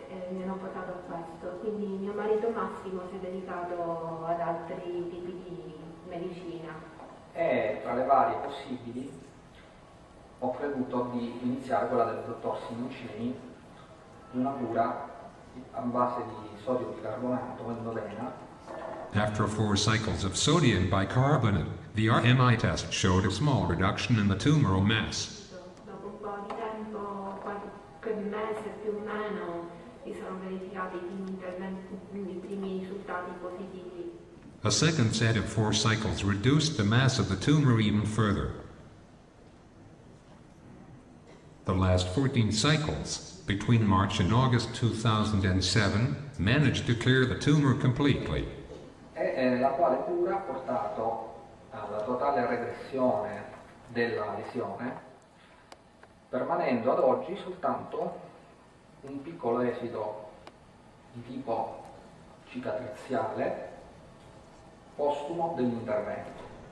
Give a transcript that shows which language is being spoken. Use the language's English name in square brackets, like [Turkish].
[Italian] Mi hanno portato a questo, quindi mio marito Massimo si è dedicato ad altri tipi di medicina. E tra le varie possibili ho creduto di iniziare quella del dottor Simoncini, una cura a base di sodio bicarbonato endovena. [English] After four cycles of sodium bicarbonate, the RMI test showed a small reduction in the tumoral mass. [Italian] Dopo un po' di tempo, qualche mese più o meno, si sono verificati i primi risultati positivi. [English] A second set of four cycles reduced the mass of the tumor even further. The last 14 cycles, between March and August 2007, managed to clear the tumor completely. [Italian] E la quale cura ha portato alla totale regressione della lesione, permanendo ad oggi soltanto un piccolo esito di tipo cicatriziale postumo dell'intervento.